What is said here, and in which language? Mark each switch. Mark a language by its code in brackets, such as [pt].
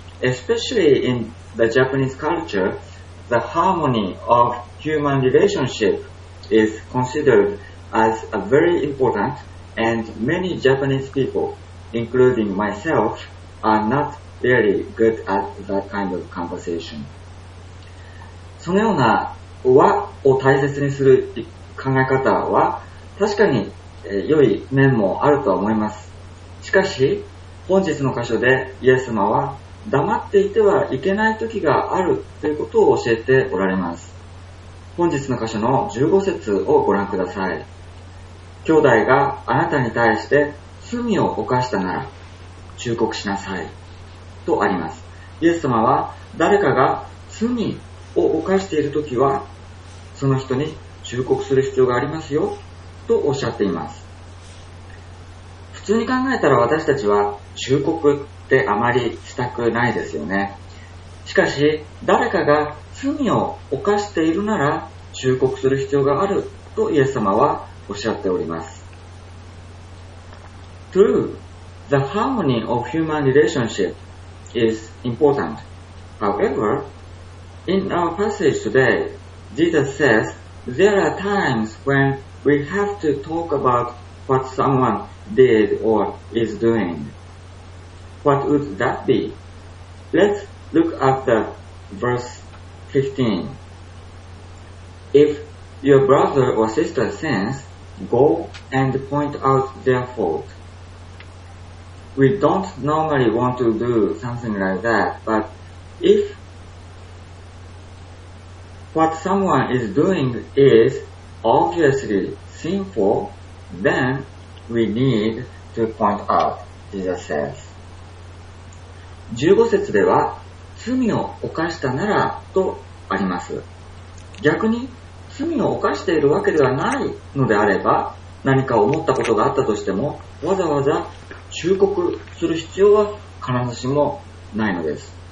[en] Especially in the Japanese culture, the harmony of human relationship is considered as a very important, and many Japanese people, including myself, are not really good at that kind of conversation. [ja] そのような和を大切にする考え方は確かに良い面もあるとは思います。しかし本日の箇所でイエス様は黙っていてはいけない時があるということを教えておられます。本日の箇所の15節をご覧ください。兄弟があなたに対して罪を犯したなら忠告しなさいとあります。イエス様は誰かが罪を犯しているときはその人に忠告する必要がありますよとおっしゃっています。普通に考えたら私たちは忠告ってあまりしたくないですよね。しかし誰かが罪を犯しているなら忠告する必要があるとイエス様はおっしゃっております。 [en] True, the harmony of human relationship is important. HoweverIn our passage today, Jesus says there are times when we have to talk about what someone did or is doing. What would that be? Let's look at the verse 15. If your brother or sister sins, go and point out their fault. We don't normally want to do something like that, but ifWhat someone is doing is obviously sinful, then we need to point out, Jesus says. [ja] 15節では、罪を犯したならとあります。逆に、罪を犯しているわけではないのであれば、何か思ったことがあったとしても、わざわざ忠告する必要は必ずしもないのです。